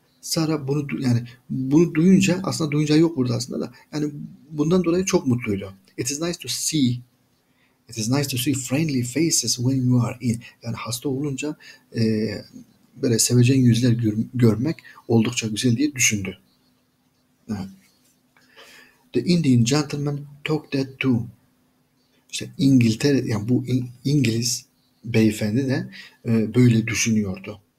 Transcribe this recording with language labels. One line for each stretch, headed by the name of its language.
Turkish: Sarah bunu yani bunu duyunca aslında duyunca yok burada aslında da yani bundan dolayı çok mutluydu.
English: It is nice to see. It is nice to see friendly faces when you are in.
Turkish: Yani hasta olunca böyle seveceğin yüzler görmek oldukça güzel diye düşündü. Evet.
English: The Indian gentleman talked that too.
Turkish: İşte İngiltere yani bu İngiliz beyefendi de böyle düşünüyordu.